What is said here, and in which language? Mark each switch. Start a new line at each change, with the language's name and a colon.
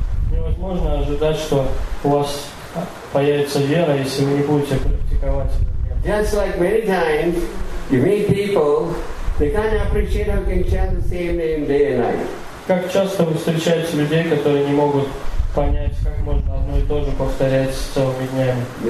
Russian: Невозможно ожидать, что у вас появится вера, если вы не будете практиковать это.
English: Just like many times you meet people, they can't appreciate how you can chant the same name day and night.
Russian: Как часто вы встречаете людей, которые не могут понять, как можно одно и то же повторять целыми днями?